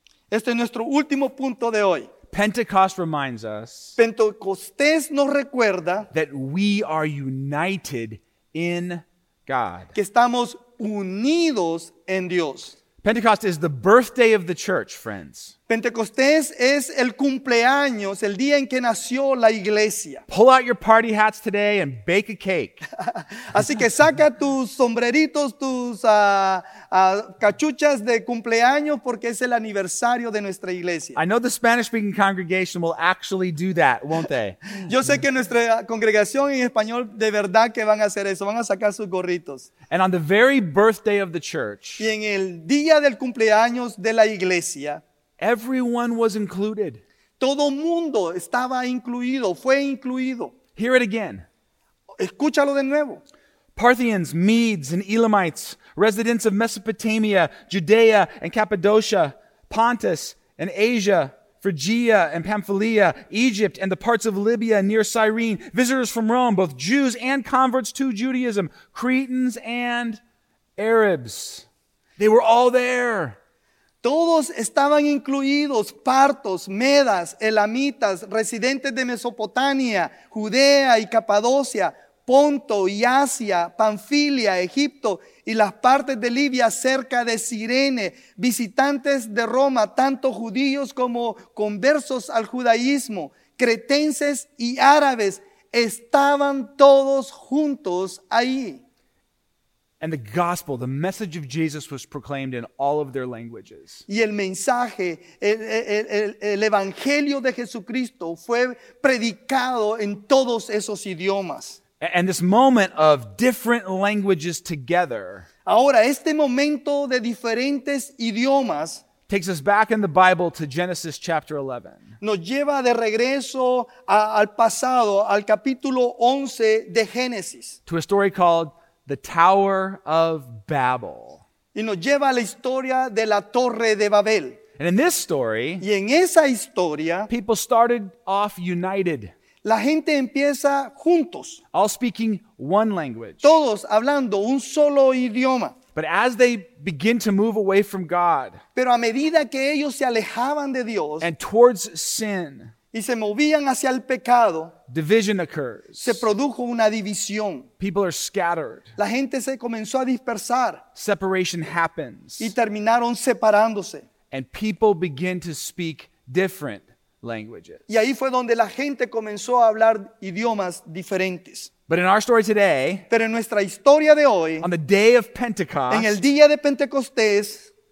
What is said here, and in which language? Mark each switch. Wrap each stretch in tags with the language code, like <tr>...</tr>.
<es>Este es nuestro último punto de hoy.</es> <en>Pentecost reminds us</en> <es>Pentecostés nos recuerda</es> <en>that we are united in God.</en> <es>Que estamos unidos en Dios.</es> <en>Pentecost is the birthday of the church, friends.</en> <es>Pentecostés es el cumpleaños, el día en que nació la iglesia.</es> <en>Pull out your party hats today and bake a cake.</en> <es>Así que saca tus sombreritos, tus cachuchas de cumpleaños porque es el aniversario de nuestra iglesia.</es> <en>I know the Spanish-speaking congregation will actually do that, won't they?</en> <es>Yo sé que nuestra congregación en español de verdad que van a hacer eso, van a sacar sus gorritos.</es> <en>And on the very birthday of the church.</en> <es>Y en el día del cumpleaños de la iglesia.</es> <en>Everyone was included.</en> <es>Todo mundo estaba incluido, fue incluido.</es> <en>Hear it again.</en> <es>Escúchalo de nuevo.</es> <en>Parthians, Medes, and Elamites, residents of Mesopotamia, Judea, and Cappadocia, Pontus, and Asia, Phrygia, and Pamphylia, Egypt, and the parts of Libya near Cyrene, visitors from Rome, both Jews and converts to Judaism, Cretans and Arabs. They were all there.</en> <es>Todos estaban incluidos, partos, medas, elamitas, residentes de Mesopotamia, Judea y Capadocia, Ponto y Asia, Panfilia, Egipto y las partes de Libia cerca de Cirene, visitantes de Roma, tanto judíos como conversos al judaísmo, cretenses y árabes, estaban todos juntos ahí.</es> <en>And the gospel, the message of Jesus, was proclaimed in all of their languages.</en> <es>Y el mensaje, el evangelio de Jesucristo fue predicado en todos esos idiomas.</es> <en>And this moment of different languages together.</en> <es>Ahora, este momento de diferentes idiomas.</es> <en>Takes us back in the Bible to Genesis chapter 11.</en> <es>Nos lleva de regreso al pasado, al capítulo 11 de Génesis.</es> <en>To a story called The Tower of Babel.</en> <es>Y nos lleva a la historia de la Torre de Babel.</es> <en>And in this story,</en> <es>y en esa historia,</es> <en>people started off united.</en> <es>La gente empieza juntos.</es> <en>All speaking one language.</en> <es>Todos hablando un solo idioma.</es> <en>But as they begin to move away from God,</en> <es>pero a medida que ellos se alejaban de Dios,</es> <en>and towards sin,</en> <es>y se movían hacia el pecado,</es> <en>division occurs.</en> <es>Se produjo una división.</es> <en>People are scattered.</en> <es>La gente se comenzó a dispersar.</es> <en>Separation happens.</en> <es>Y terminaron separándose.</es> <en>And people begin to speak different languages.</en> <es>Y ahí fue donde la gente comenzó a hablar idiomas diferentes.</es> <en>But in our story today,</en> <es>pero en nuestra historia de hoy,</es> <en>on the day of Pentecost,</en> <es>en el día de Pentecostés,</es>